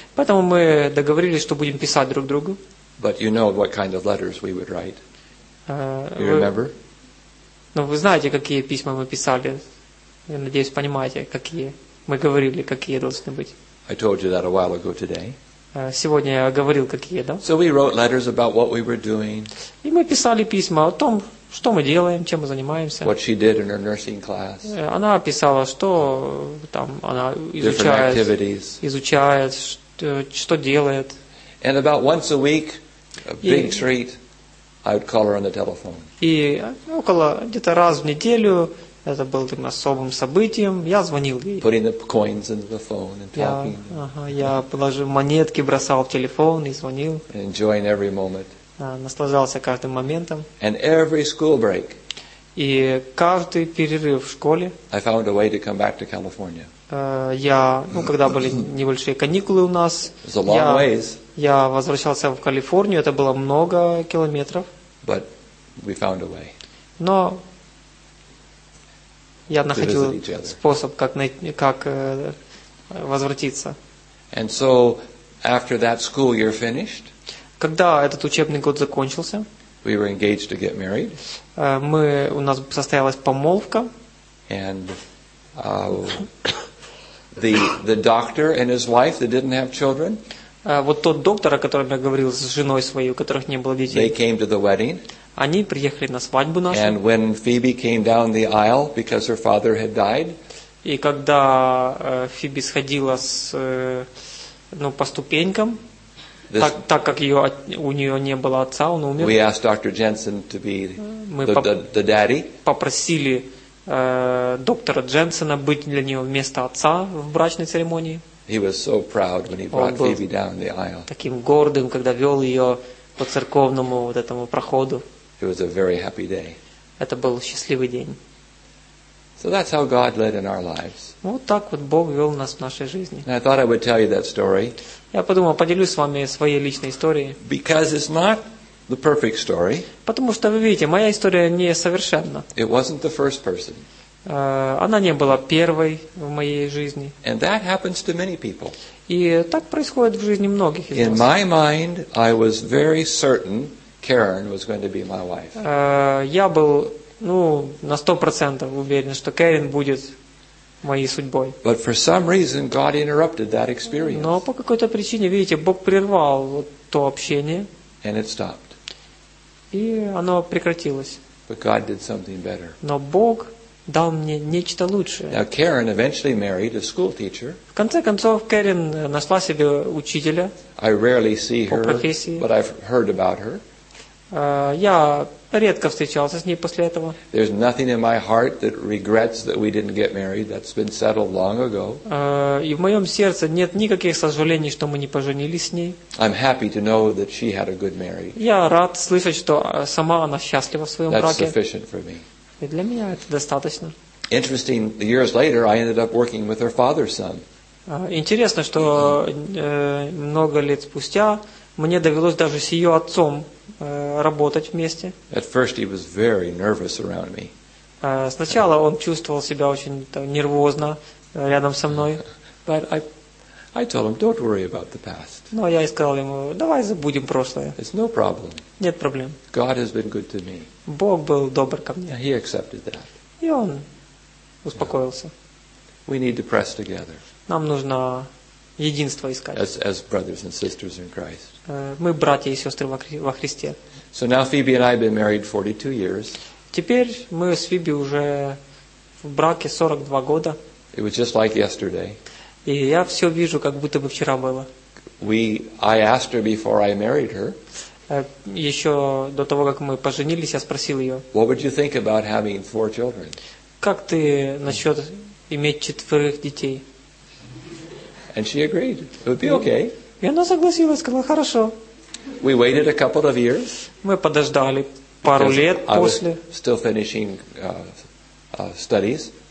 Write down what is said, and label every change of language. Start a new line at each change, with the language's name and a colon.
Russian: Поэтому мы договорились, что будем писать друг другу.
English: But you know what kind of letters we would write. You remember?
Russian: Ну, вы знаете, какие письма мы писали. Я надеюсь, понимаете, какие. Мы говорили, какие должны быть.
English: I told you that a while ago today.
Russian: Сегодня я говорил, какие, да?
English: So we wrote letters about what we were doing.
Russian: И мы писали письма о том, что мы делаем, чем мы занимаемся.
English: What she did in her nursing class.
Russian: Она писала, что там она изучает, что делает.
English: And about once a week, a big treat, I would call her on the telephone.
Russian: И около где-то раз в неделю. Это было таким особым событием. Я звонил ей.
English: Putting the coins into the phone and talking.
Russian: Я положил монетки, бросал в телефон и звонил.
English: Enjoying every moment.
Russian: Наслаждался каждым моментом.
English: And every school break.
Russian: И каждый перерыв в школе.
English: I found a way to come back to California.
Russian: Когда были небольшие каникулы у нас.
English: It's a long ways.
Russian: Я возвращался в Калифорнию. Это было много километров.
English: But we found a way.
Russian: Но я находил способ, как возвратиться.
English: And so, after that school year finished,
Russian: когда этот учебный год закончился,
English: we were engaged to get married,
Russian: у нас состоялась помолвка,
English: and the doctor and his wife that didn't have children,
Russian: вот тот доктор, о котором я говорил, с женой своей, у которых не было детей,
English: they came to the wedding.
Russian: Они приехали на свадьбу нашу.
English: And when Phoebe came down the aisle because her father had died.
Russian: И когда Фиби сходила по ступенькам, так как у нее не было отца, он умер.
English: We asked Dr. Jensen to be the daddy.
Russian: Попросили доктора Дженсена быть для нее вместо отца в брачной церемонии.
English: He was so proud when he brought Phoebe down the aisle.
Russian: Таким гордым, когда вел ее по церковному вот этому проходу.
English: It was a very happy day.
Russian: Это был счастливый день.
English: So that's how God led in our lives.
Russian: Вот так вот Бог вел нас в нашей жизни.
English: And I thought I would tell you that story.
Russian: Я подумал, поделюсь с вами своей личной историей.
English: Because it's not the perfect story.
Russian: Потому что вы видите, моя история не совершенна.
English: It wasn't the first person.
Russian: Она не была первой в моей жизни.
English: And that happens to many people.
Russian: И так происходит в жизни многих из нас.
English: In my mind, I was very certain Karen was going to be my wife.
Russian: Я был, на 100% уверен, что Кэрин будет моей судьбой.
English: But for some reason God interrupted that experience.
Russian: Но по какой-то причине, видите, Бог прервал то общение.
English: And it stopped.
Russian: И оно прекратилось.
English: But God did something better.
Russian: Но Бог дал мне нечто лучшее.
English: Now Karen eventually married a school teacher.
Russian: В конце концов, Кэрин нашла себе учителя.
English: I rarely see her,
Russian: по профессии.
English: But I've heard about her.
Russian: Я редко встречался с ней после этого.
English: There's nothing in my heart that regrets that we didn't get married. That's been settled long ago.
Russian: И в моем сердце нет никаких сожалений, что мы не поженились с ней.
English: I'm happy to know that she had a good marriage.
Russian: Я рад слышать, что сама она счастлива в своем
English: That's
Russian: браке.
English: That's sufficient for me.
Russian: И для меня это достаточно.
English: Interesting, years later, I ended up working with her father's son.
Russian: Интересно, что много лет спустя мне довелось даже с ее отцом работать вместе.
English: At first he was very nervous around me.
Russian: Сначала он чувствовал себя очень нервозно рядом со мной.
English: But I told him, don't worry about the past.
Russian: Но я сказал ему, давай забудем прошлое.
English: It's no problem.
Russian: Нет проблем.
English: God has been good to me.
Russian: Бог был добр ко мне.
English: And he accepted that.
Russian: И он успокоился.
English: Yeah. We need to press together.
Russian: Нам нужно единство искать.
English: As brothers and sisters in Christ.
Russian: Мы братья и сестры во Христе.
English: So now Phoebe and I have been married 42 years.
Russian: Теперь мы с Фиби уже в браке 42 года.
English: It was just like yesterday.
Russian: И я все вижу, как будто бы вчера было.
English: I asked her before I married her.
Russian: Еще до того, как мы поженились, я спросил ее.
English: What would you think about having four children?
Russian: Как ты насчет иметь четверых детей?
English: And she agreed. It would be okay.
Russian: И она согласилась, сказала, хорошо.
English: We waited a couple of years.
Russian: Мы подождали пару лет после.
English: I was still finishing studies.